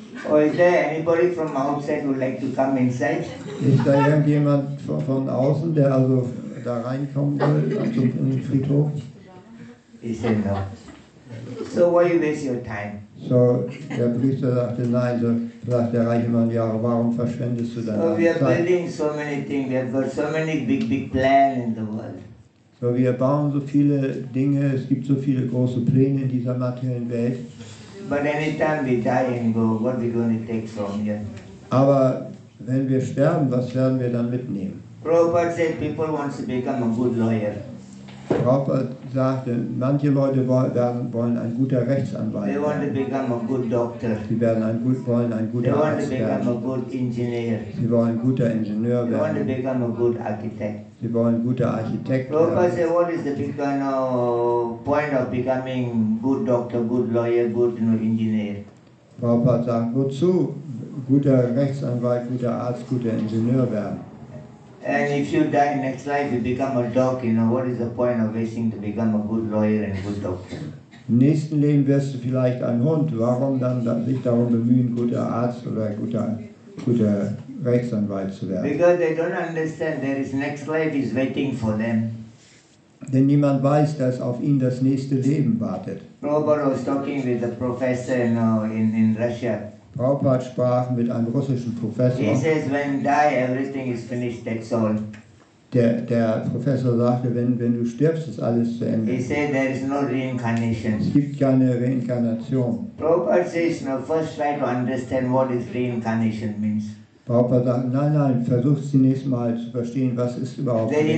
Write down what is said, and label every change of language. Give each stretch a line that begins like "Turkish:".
English: Or is there anybody from outside who would like to come inside?
German: Ist da irgendjemand von außen, der also da reinkommen will, also in den Friedhof?
English: He said no. So why you waste your time?
German: So der Priester sagte nein, so sagt der reiche Mann, ja, warum verschwendest du deine so Zeit?
English: So we are building so many things, we have got so many big, big plans in the world.
German: So wir bauen so viele Dinge, es gibt so viele große Pläne in dieser materiellen Welt.
English: But anytime we die and go, what are we going to take from here?
German: Aber wenn wir sterben, was werden wir dann mitnehmen?
English: Prabhupada said people want to become a good lawyer.
German: Prabhupada sagte, manche Leute wollen ein guter Rechtsanwalt werden.
English: They want to become a good doctor.
German: Sie werden wollen ein guter Arzt werden.
English: They want to become a good engineer.
German: Sie wollen ein guter Ingenieur werden.
English: They want to become a good architect.
German: Sie wollen ein guter Architekt werden.
English: Prabhupada said, what is the big kind of point of becoming good doctor, good lawyer, good engineer?
German: Prabhupada sagt, wozu guter Rechtsanwalt, guter Arzt, guter Ingenieur werden?
English: And if you die next life, you become a dog, you know, what is the point of wasting to become a good lawyer and good doctor?
German: Nächsten Leben wirst du vielleicht ein Hund. Warum dann sich darum bemühen, guter Arzt oder guter Rechtsanwalt zu werden?
English: Because they don't understand there is next life is waiting for them.
German: Denn niemand weiß, dass auf ihn das nächste Leben wartet.
English: Prabhupada was talking with a professor, you know, in Russia.
German: Prabhupada sprach mit einem russischen Professor.
English: He says, when die, everything is finished, that's all.
German: Der Professor sagte, wenn du stirbst, ist alles zu Ende.
English: He said, there is no reincarnation.
German: Es gibt keine Reinkarnation.
English: Prabhupada says, no, first try to understand what is reincarnation means.
German: Prabhupada sagt, nein, versuch zunächst mal zu verstehen, was ist überhaupt